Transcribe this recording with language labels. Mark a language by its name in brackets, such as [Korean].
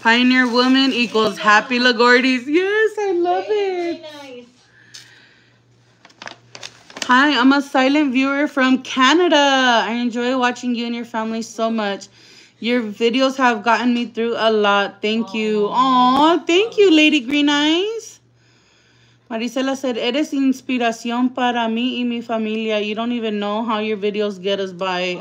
[English] Pioneer woman equals happy LaGordizEats. Yes, I love it. Very nice. Hi, I'm a silent viewer from Canada. I enjoy watching you and your family so much. Your videos have gotten me through a lot. Thank you. Aw, thank you, Lady Green Eyes. [Spanish] Maricela said, eres inspiración para mí y mi familia. [English] You don't even know how your videos get us by.